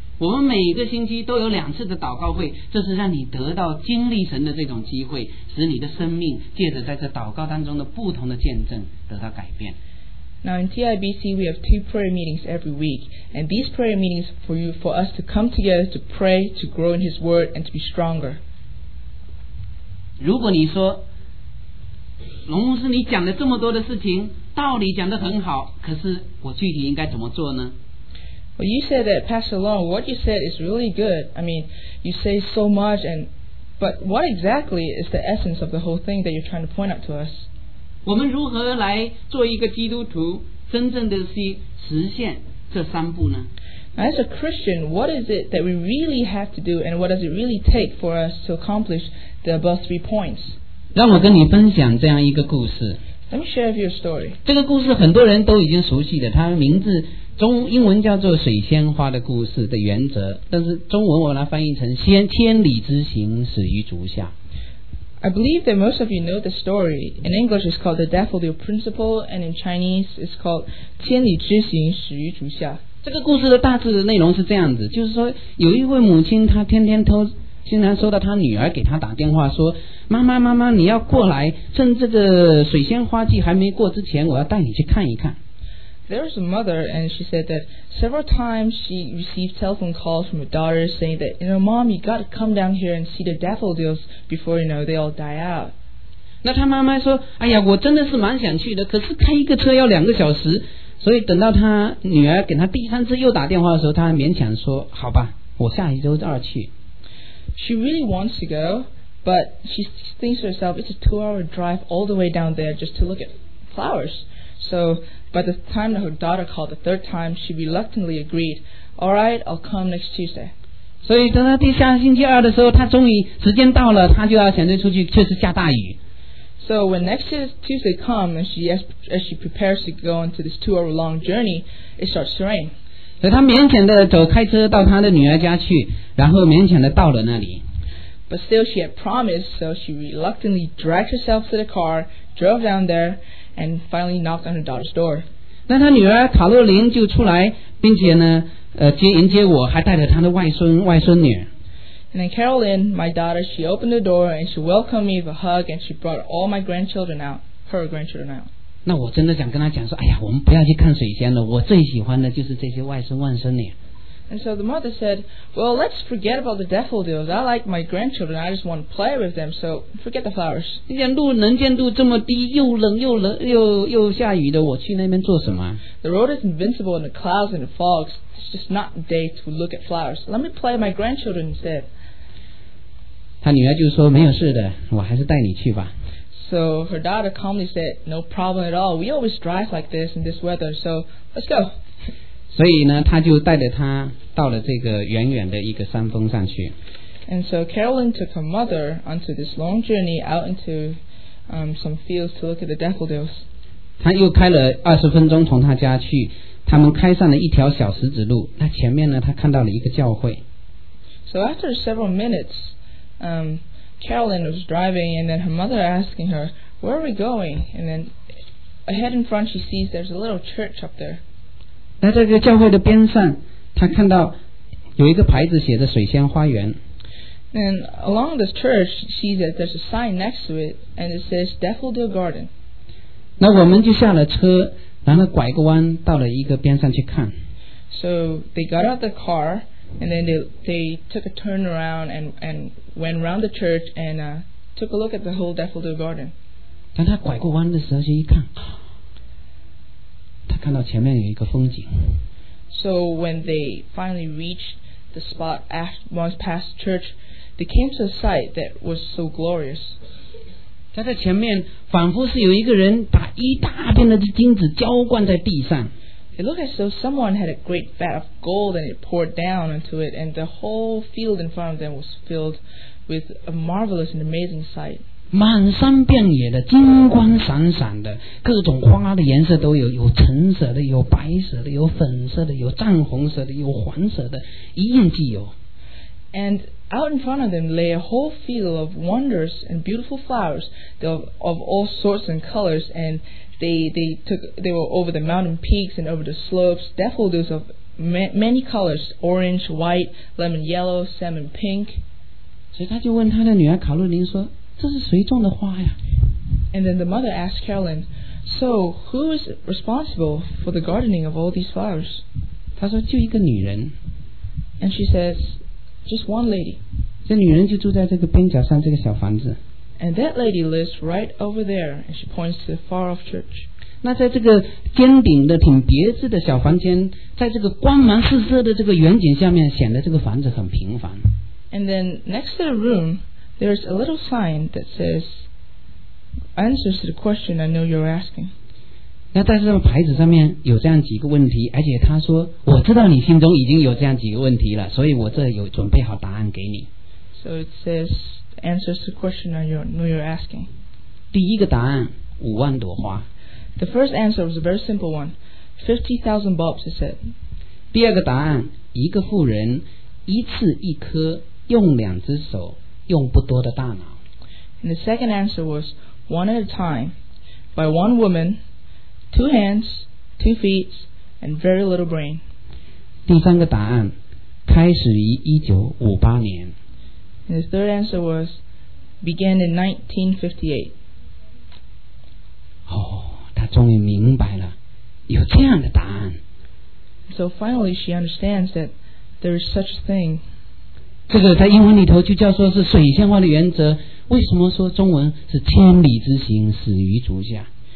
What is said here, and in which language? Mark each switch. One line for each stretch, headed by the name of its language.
Chinese: 我们每个星期都有两次的祷告会这是让你得到经历神的这种机会使你的生命借着在这祷告当中的不同的见证得到改变
English: Now in TIBC we have two prayer meetings every week and these prayer meetings for you for us to come together to pray to grow in his word and to be stronger
Chinese: 如果你说龙牧师你讲了这么多的事情道理讲得很好可是我具体应该怎么做呢
English: Well you said that Pastor Long what you said is really good I mean you say so much and but what exactly is the essence of the whole thing that you're trying to point out to us
Chinese: 我们如何来做一个基督徒真正的是实现这三步呢
English: As a Christian, what is it that we really have to do and what does it really take for us to accomplish the above three points?
Chinese: 让我跟你分享这样一个故事
English: Let me share with you a story
Chinese: 这个故事很多人都已经熟悉了它名字中英文叫做水仙花的故事的原则但是中文我来翻译成千里之行始于足下
English: I believe that most of you know the story. In English, it's called the Daffodil Principle, and in Chinese, it's called
Chinese: 千里之行始于足下。这个故事的大致的内容是这样子，就是说有一位母亲，她天天偷，经常收到她女儿给她打电话说，妈妈，妈妈，你要过来，趁这个水仙花季还没过之前，我要带你去看一看。
English: there's a mother, and she said that several times she received telephone calls from her daughter saying that, you know, Mom, you got to come down here and see the daffodils before, you know, they all die out.
Chinese: 那她妈妈说，哎呀，我真的是蛮想去的，可是开一个车要两个小时，所以等到她女儿给她第三次又打电话的时候，她勉强说，好吧，我下一周二去。
English: She really wants to go, but she thinks to herself, it's a two-hour drive all the way down there just to look at flowers. So by the time that her daughter called the third time, she reluctantly agreed, all right, I'll come next Tuesday.
Chinese: 所以等到第三星期二的时候，她终于时间到了，她就要选择出去，确实下大雨。
English: So when next Tuesday comes, as she prepares to go into this two-hour-long journey, it starts to rain.
Chinese: 所以她勉强地走开车到她的女儿家去，然后勉强地到了那里。
English: But still she had promised, so she reluctantly dragged herself to the car, drove down there, and finally knocked on her daughter's door.
Chinese: 那她女儿卡洛琳就出来，并且呢，迎接我，还带着她的外孙女。
English: And then Carolyn, my daughter, she opened the door and she welcomed me with a hug and she brought all my grandchildren out, her grandchildren out.
Chinese: 那我真的想跟她讲说，哎呀，我们不要去看水仙了，我最喜欢的就是这些外孙外孙女。
English: And so the mother said, well, let's forget about the daffodils. I like my grandchildren. I just want to play with them, so forget the flowers.
Chinese: 这边路能见度这么低，又冷又下雨的，我去那边做什么？
English: The road is invincible in the clouds and the fogs. It's just not the day to look at flowers. Let me play my grandchildren instead.
Chinese: 她女儿就说，没有事的，我还是带你去吧。
English: So her daughter calmly said, no problem at all. We always drive like this in this weather, so let's go.
Chinese: 所以呢，他就带着他到了这个远远的一个山峰上去。
English: And so Carolyn took her mother onto this long journey out into some fields to look at the daffodils.
Chinese: 他又开了20分钟从他家去，他们开上了一条小石子路。那前面呢，他看到了一个教会。
English: So after several minutes, Carolyn was driving, and then her mother asking her, "Where are we going?" And then ahead in front, she sees there's a little church up there.
Chinese: 在这个教会的边上，他看到有一个牌子写着水仙花园。
English: And along this church, she sees that there's a sign next to it, and it says Daffodil Garden.
Chinese: 那我们就下了车，然后拐个弯到了一个边上去看。
English: So they got out the car, and then they took a turn around and went around the church and took a look at the whole Daffodil Garden.
Chinese: 当他拐个弯的时候就一看。他看到前面有一个风景。
English: So when they finally reached the spot once past the church, they came to a sight that was so glorious.
Chinese: 他在前面仿佛是有一个人把一大片的金子浇灌在地上。
English: It looked as though someone had a great vat of gold and it poured down into it, and the whole field in front of them was filled with a marvelous and amazing sight.
Chinese: 满山遍野的金光闪闪的，各种花的颜色都有，有橙色的，有白色的，有粉色的，有藏红色的，有黄色的，一应俱有。
English: And out in front of them lay a whole field of wonders and beautiful flowers of all sorts and colors. And they were over the mountain peaks and over the slopes, daffodils of many colors: orange, white, lemon yellow, salmon pink.
Chinese: 所以他就问他的女儿卡洛琳说。这是谁种的花呀?
English: And then the mother asked Carolyn, "So who is responsible for the gardening of all these flowers?"
Chinese: 她说就一个女人。
English: And she says, "Just one lady."
Chinese: 这女人就住在这个边角上这个小房子。
English: And that lady lives right over there, and she points to the far off church.
Chinese: 那在这个尖顶的挺别致的小房间，在这个光芒四射的这个远景下面，显得这个房子很平凡。
English: And then next to the room. There's a little sign that says answers to the question I know you're asking.
Chinese: 那在这个牌子上面有这样几个问题，而且他说我知道你心中已经有这样几个问题了，所以我这有准备好答案给你。
English: So it says answers to the question I know you're asking.
Chinese: 第一个答案五万朵花。
English: The first answer was a very simple one, 50,000 bulbs. It said.
Chinese: 第二个答案一个妇人一次一颗用两只手。用不多的大脑。
English: And the second answer was one at a time, by one woman, two hands, two feet, and very little brain.
Chinese: 第三个答案，开始于1958年。
English: And the third answer was began in 1958.
Chinese: 哦，他终于明白了，有这样的答案。
English: So finally she understands that there is such a thing.
Chinese: 这个在英文里头就叫做是水仙花的原则，为什么说中文是千里之行始于足下？